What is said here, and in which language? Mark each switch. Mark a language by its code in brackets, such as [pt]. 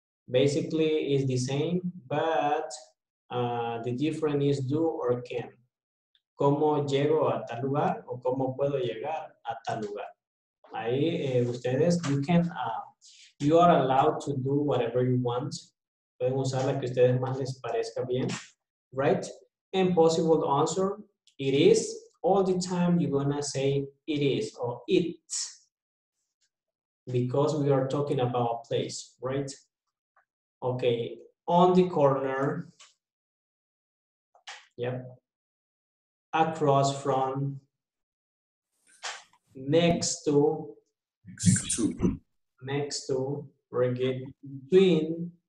[en] Basically, it's the same, but the difference is do or can. [es] ¿Cómo llego a tal lugar? ¿O cómo puedo llegar a tal lugar? Ahí, ustedes, [en] you can, you are allowed to do whatever you want. [es] Pueden usar la que ustedes más les parezca bien, right? [en] And possible answer, it is. All the time you're gonna say it is or it, because we are talking about a place, right? Okay, on the corner, yep, across from, next to, very good, between,